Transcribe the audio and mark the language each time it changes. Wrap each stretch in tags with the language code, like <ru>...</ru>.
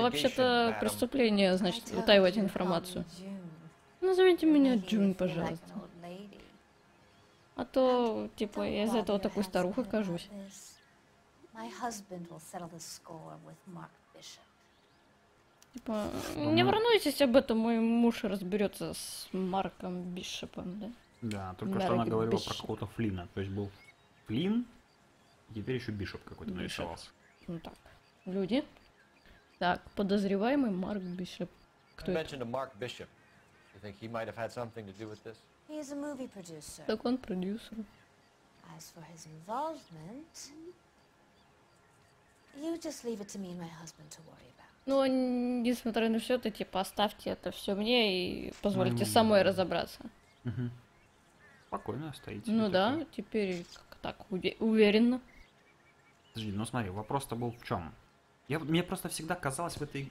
<ru>вообще-то преступление, значит, утаивать информацию. Назовите меня Джун, пожалуйста. А то, типа, я из этого такой старухой кажусь.</ru> <en>My husband will settle the score with Mark Bishop.</en> <ru>Типа, не волнуйтесь об этом, мой муж разберется с Марком Бишопом, да? Да, только Марк что она говорила Бишоп. Про какого-то Флина. То есть был Флин, теперь еще Бишоп какой-то нарисовался. Ну так, люди. Так, подозреваемый Марк Бишоп. Кто это?</ru> <en>Mentioned Mark Bishop. You think he might have had something to do with this? He is a movie producer.</en> <ru>Так он продюсер.</ru> <en>As for his involvement... You just leave it to me and my husband to worry about.</en> <ru>Ну, несмотря на все, ты типа оставьте это все мне и позвольте самой разобраться. Угу. Спокойно стоите. Ну да, такой. Теперь как так уверенно. Подожди, ну смотри, вопрос-то был в чем? Я, мне просто всегда казалось в этой.</ru>